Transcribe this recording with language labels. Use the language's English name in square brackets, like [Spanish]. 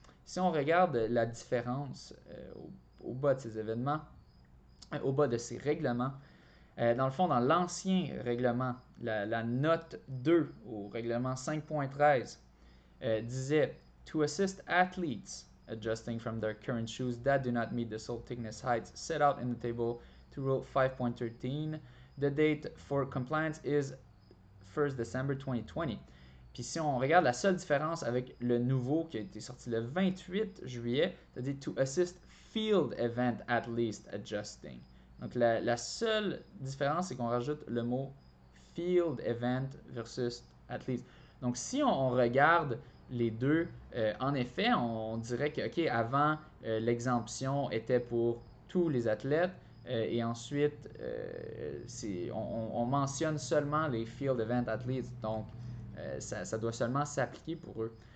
[French] Si on regarde la différence au bas de ces événements, au bas de ces règlements, dans le fond, dans l'ancien règlement, la note 2 au règlement 5.13 disait [English] To assist athletes adjusting from their current shoes that do not meet the sole thickness heights set out in the table to rule 5.13, the date for compliance is 1st December 2020. [French] Puis si on regarde la seule différence avec le nouveau qui a été sorti le 28 juillet, c'est-à-dire [English] to assist field event at least adjusting. [French] Donc la seule différence, c'est qu'on rajoute le mot [English] Field Event versus Athlete. [French] Donc, si on regarde les deux, en effet, on dirait que, OK, avant, l'exemption était pour tous les athlètes, et ensuite, on mentionne seulement les Field Event Athletes. Donc, ça doit seulement s'appliquer pour eux.